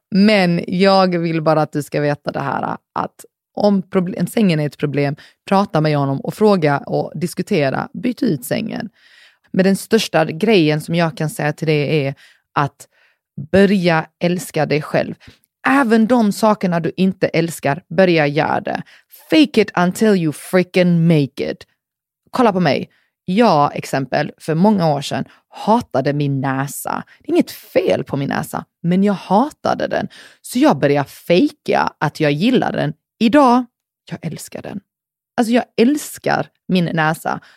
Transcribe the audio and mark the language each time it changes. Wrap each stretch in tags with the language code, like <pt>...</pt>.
<sv>Men jag vill bara att du ska veta det här. Att om sängen är ett problem, prata med honom och fråga och diskutera. Byt ut sängen. Men den största grejen som jag kan säga till dig är att börja älska dig själv. Även de sakerna du inte älskar, börja göra det.</sv> <en>Fake it until you freaking make it.</en> <sv>Kolla på mig. Jag, exempel, för många år sedan hatade min näsa. Det är inget fel på min näsa, men jag hatade den. Så jag började fejka att jag gillar den. Idag, jag älskar den. Alltså jag älskar min näsa.</sv>